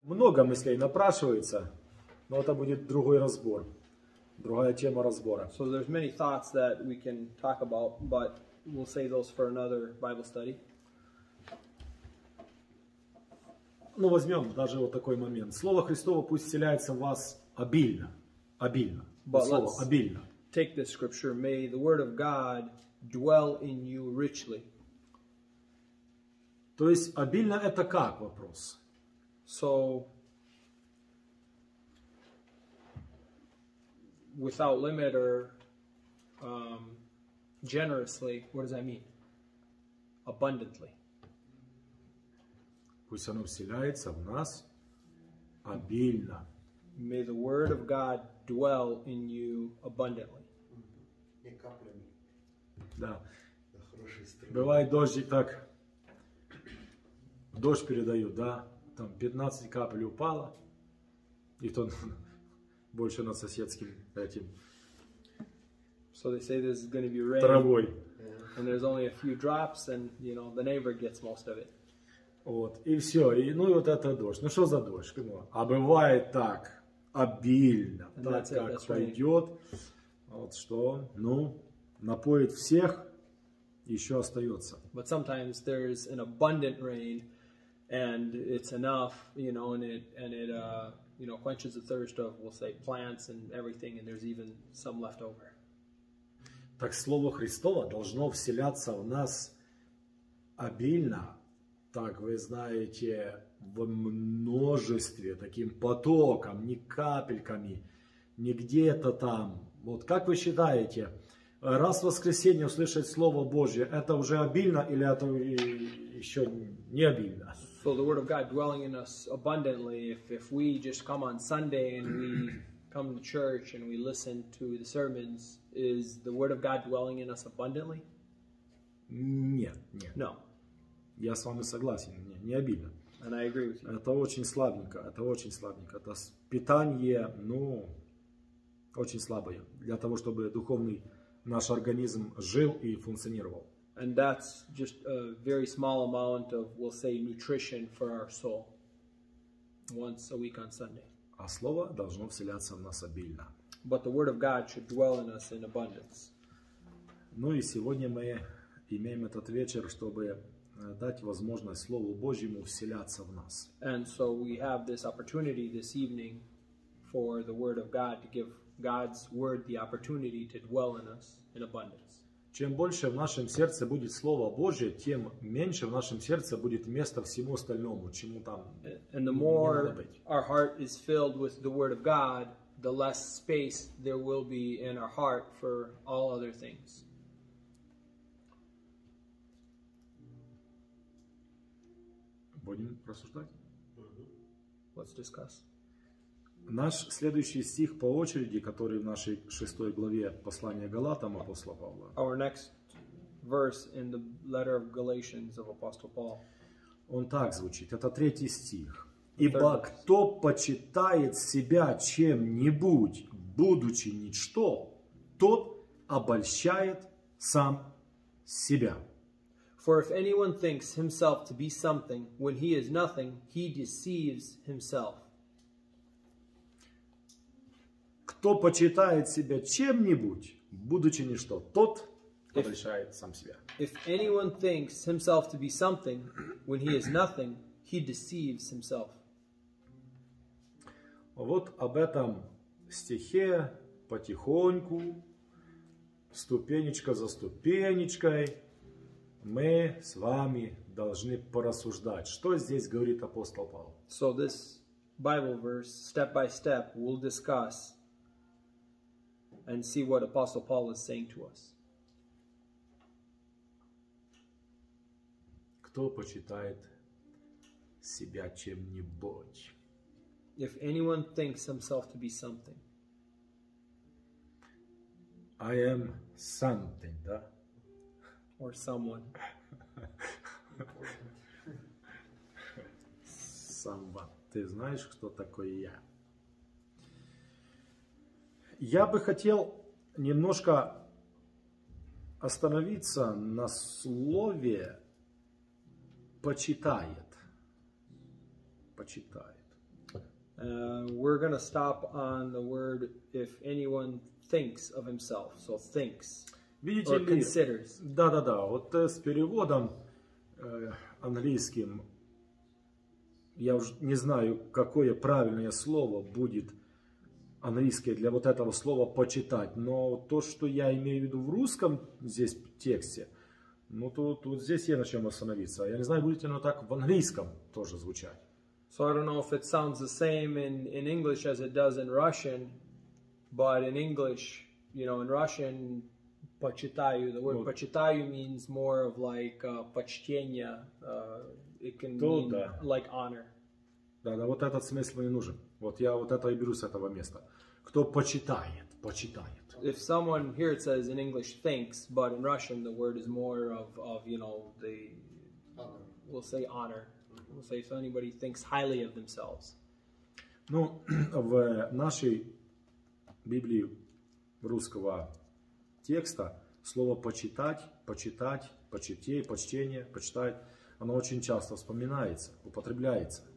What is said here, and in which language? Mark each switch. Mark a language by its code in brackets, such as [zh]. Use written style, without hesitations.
[ru] Много мыслей напрашивается, но это будет другой разбор, другая тема разбора. [en] So there's many thoughts that we can talk about, but we'll save those for another Bible study. [ru] Ну, возьмем даже вот такой момент. Слово Христово пусть вселяется в вас обильно. Обильно. [en] But [ru] слово [en] let's [ru] обильно. [en] Take this scripture. May the word of God dwell in you richly. [ru] То есть, обильно это как вопрос? [en] So, without limit or generously, what does that mean? Abundantly. [ru] Пусть оно вселяется в нас обильно. [en] May the word of God dwell in you abundantly. [ru] Не каплями. Да. Бывает дождь и так. Дождь передают, да. Там 15 капель упало. И то больше над соседским этим. [en] So they say this is going to be rain. [ru] Травой. [en] And there's only a few drops and, you know, the neighbor gets most of it. [ru] Вот, и все, и, ну и вот это дождь. Ну что за дождь? Ну, а бывает так, обильно, [en] and [ru] так [en] it, [ru] как пойдет, вот что, ну, напоит всех, еще остается. [en] But sometimes there's an abundant rain, and it's enough, you know, and it quenches the thirst of, we'll say, plants and everything, and there's even some left over. [ru] Так Слово Христово должно вселяться в нас обильно. Так, вы знаете, в множестве, таким потоком, не капельками, не где-то там. Вот как вы считаете, раз в воскресенье услышать Слово Божье, это уже обильно или это еще не обильно? [en] So the word of God dwelling in us abundantly, if we just come on Sunday and we come to church and we listen to the sermons, is the word of God dwelling in us abundantly? [ru] Нет, нет. [en] No. [ru] Я с вами согласен, не, не обидно. [en] And I agree with you. [ru] Это очень слабенько, это очень слабенько. Это питание, ну, очень слабое. Для того, чтобы духовный наш организм жил и функционировал. [en] And that's just a very small amount of, we'll say, nutrition for our soul. Once a week on Sunday. [ru] А слово должно вселяться в нас обильно. [en] But the word of God should dwell in us in abundance. [ru] Ну и сегодня мы имеем этот вечер, чтобы дать возможность Слову Божьему вселяться в нас. [en] And so we have this opportunity this evening for the Word of God to give God's Word the opportunity to dwell in us in abundance. [ru] Чем больше в нашем сердце будет Слово Божье, тем меньше в нашем сердце будет места всему остальному, чему там не надо быть. [en] And the more our heart is filled with the Word of God, the less space there will be in our heart for all other things. [ru] Будем рассуждать? [en] Let's discuss. [ru] Наш следующий стих по очереди, который в нашей шестой главе послания Галатам апостола Павла. [en] Our next verse in the letter of Galatians of Apostle Paul. [ru] Он так звучит, это третий стих. Ибо кто почитает себя чем-нибудь, будучи ничто, тот обольщает сам себя. [en] For if anyone thinks himself to be something when he is nothing, he deceives himself. [ru] Кто почитает себя чем-нибудь, будучи ничто, тот обольщает сам себя. [en] If anyone thinks himself to be something when he is nothing, he deceives himself. [ru] Вот об этом стихе потихоньку, ступенечка за ступенечкой, мы с вами должны порассуждать. Что здесь говорит апостол Павел? [en] So this Bible verse, step by step, we'll discuss and see what Apostle Paul is saying to us. [ru] Кто почитает себя чем-нибудь? [en] If anyone thinks himself to be something. I am something, [ru] да? [en] Or someone. [ru] Самба, ты знаешь, кто такой я? Я бы хотел немножко остановиться на слове «почитает». Почитает. [en] We're going to stop on the word if anyone thinks of himself. So thinks. [ru] Видите [en] or considers. [ru] Да-да-да. Вот с переводом английским я уже не знаю, какое правильное слово будет английское для вот этого слова почитать. Но то, что я имею в виду в русском здесь тексте, ну тут вот здесь есть на чем остановиться. Я не знаю, будет ли оно так в английском тоже звучать. [en] So I don't know if it sounds the same in English as it does in Russian, but in English, you know, in Russian, почитаю, the word почитаю means more of like почтение, it can mean [ru] да. [en] like honor. [ru] Да, да, вот этот смысл мне нужен. Вот я вот это и беру с этого места. Кто почитает, почитает. [en] If someone here it says in English thinks, but in Russian the word is more of you know, the, we'll say honor. We'll say if anybody thinks highly of themselves. [ru] Ну, в нашей Библии русского текста слово почитать, почитать, почитей, почтение, почитать, оно очень часто вспоминается, употребляется.